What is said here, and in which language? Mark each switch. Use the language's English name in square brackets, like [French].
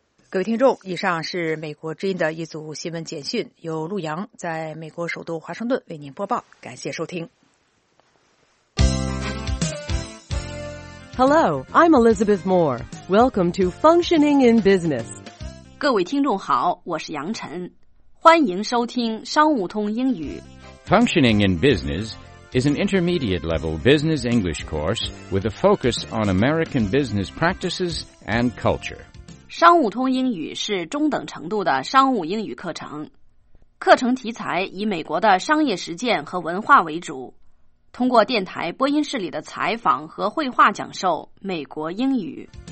[Chinese] 各位听众，以上是美国之音的一组新闻简讯，由陆阳在美国首都华盛顿为您播报，感谢收听。 [English] Hello, I'm Elizabeth Moore. Welcome to Functioning in Business. [Chinese] 各位听众好，我是杨晨，欢迎收听商务通英语。 [English] Functioning in Business is an intermediate level business English course with a focus on American business practices and culture. [Chinese] 商务通英语是中等程度的商务英语课程，课程题材以美国的商业实践和文化为主，通过电台播音室里的采访和绘画讲授美国英语。